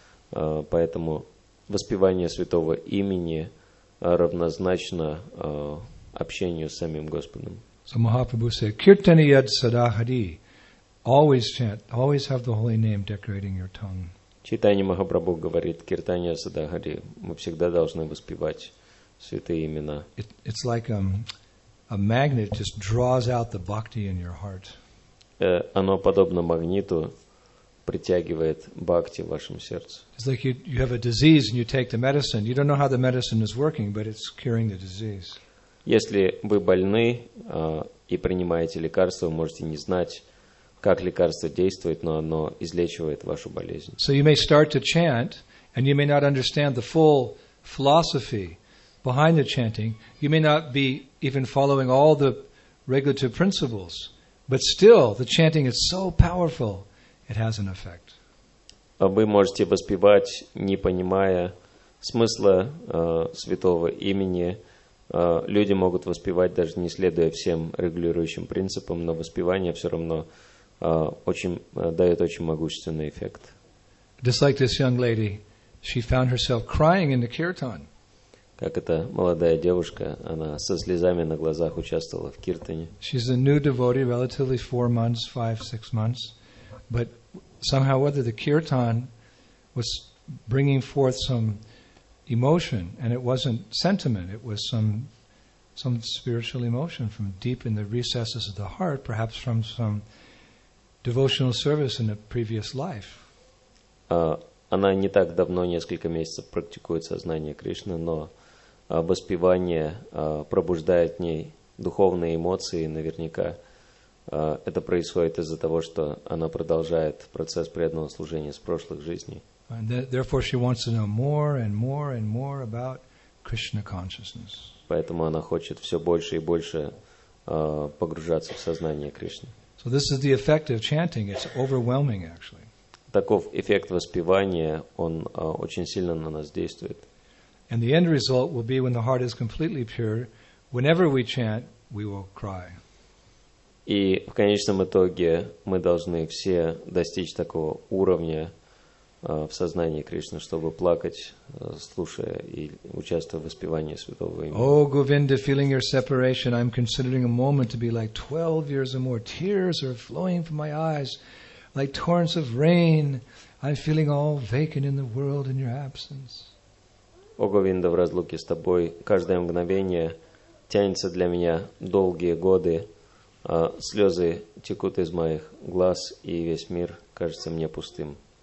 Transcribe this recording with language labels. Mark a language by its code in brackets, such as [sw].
[ru] Поэтому воспевание святого имени равнозначно общению с самим Господом. [en] So Mahaprabhu said, Kirtaniyad Sadahari. Always chant, always have the holy name decorating your tongue. [ru] Читание Махапрабху говорит, Киртания Садахари, мы всегда должны воспевать святые имена. [en] It's like a magnet just draws out the bhakti in your heart. [ru] Оно подобно магниту притягивает бхакти в вашем сердце. [en] It's like you have a disease and you take the medicine. You don't know how the medicine is working, but it's curing the disease. [ru] Если вы больны и принимаете лекарство, вы можете не знать, как лекарство действует, но оно излечивает вашу болезнь. [en] So you may start to chant, and you may not understand the full philosophy behind the chanting. You may not be even following all the regulative principles, but still, the chanting is so powerful, it has an effect. [ru] Вы можете воспевать, не понимая смысла святого имени. Люди могут воспевать, даже не следуя всем регулирующим принципам, но воспевание все равно дает очень могущественный эффект. [en] Just like this young lady, she found herself crying in the kirtan. [ru] Как эта молодая девушка, она со слезами на глазах участвовала в киртане. [en] She's a new devotee, relatively 4 months, 5-6 months, but somehow whether the kirtan was bringing forth some emotion, and it wasn't sentiment, it was some spiritual emotion from deep in the recesses of the heart, perhaps from some devotional service in a previous life. [ru] Она не так давно, несколько месяцев, практикует сознание Кришны, но воспевание пробуждает в ней духовные эмоции, наверняка это происходит из-за того, что она продолжает процесс преданного служения с прошлых жизней. [en] And therefore, she wants to know more and more and more about Krishna consciousness. [ru] Поэтому она хочет все больше и больше погружаться в сознание Кришны. [en] So this is the effect of chanting. It's overwhelming, actually. [ru] Таков эффект воспевания, он очень сильно на нас действует. [en] And the end result will be when the heart is completely pure, whenever we chant, we will cry. [ru] И в конечном итоге мы должны все достичь такого уровня в сознании Кришны, чтобы плакать, слушая и участвуя в воспевании святого имени. [en] О, Говинда, feeling your separation, I'm considering a moment to be like 12 years or more. Tears are flowing from my eyes, like torrents of rain. I'm feeling all vacant in the world in your absence. [ru] О, Говинда, в разлуке с тобой каждое мгновение тянется для меня долгие годы. Слезы текут из моих глаз, и весь мир кажется мне пустым.